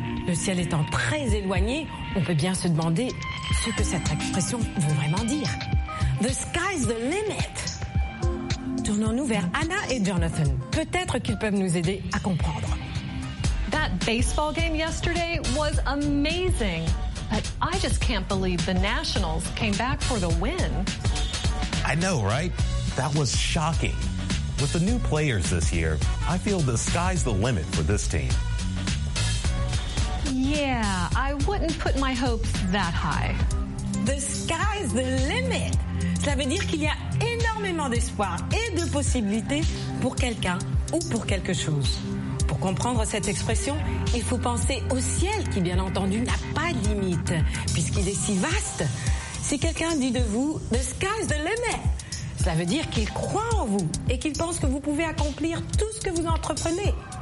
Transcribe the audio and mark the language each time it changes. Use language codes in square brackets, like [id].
[fr] Le ciel étant très éloigné, on peut bien se demander ce que cette expression veut vraiment dire. [en] The sky's the limit. [fr] Tournons-nous vers Anna et Jonathan. Peut-être qu'ils peuvent nous aider à comprendre. [en] That baseball game yesterday was amazing. But I just can't believe the Nationals came back for the win. I know, right? That was shocking. With the new players this year, I feel the sky's the limit for this team. Yeah, I wouldn't put my hopes that high. The sky's the limit. [fr] Cela veut dire qu'il y a énormément d'espoir et de possibilités pour quelqu'un ou pour quelque chose. Pour comprendre cette expression, il faut penser au ciel qui, bien entendu, n'a pas de limite, puisqu'il est si vaste. Si quelqu'un dit de vous « [en] The sky's the limit [fr] », cela veut dire qu'il croit en vous et qu'il pense que vous pouvez accomplir tout ce que vous entreprenez.